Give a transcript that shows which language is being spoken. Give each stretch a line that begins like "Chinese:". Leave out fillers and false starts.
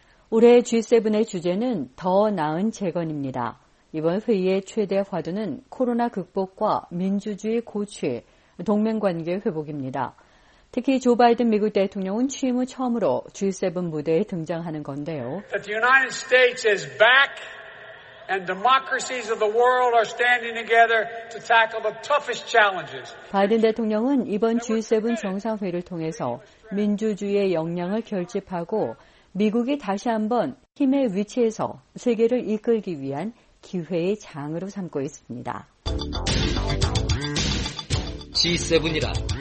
Korean: 올해 G7의 주제는 더 나은 재건입니다. 이번 회의의 최대 화두는 코로나 극복과 민주주의 고취, 동맹관계 회복입니다. 특히 조 바이든 미국 대통령은 취임 후 처음으로 G7 무대에 등장하는 건데요.
English: The United States is back and democracies of the world are standing together to tackle the toughest challenges.
Korean: 바이든 대통령은 이번 G7 정상회의를 통해서 민주주의의 역량을 결집하고 미국이 다시 한번 힘의 위치에서 세계를 이끌기 위한 기회의 장으로 삼고 있습니다. G7이라.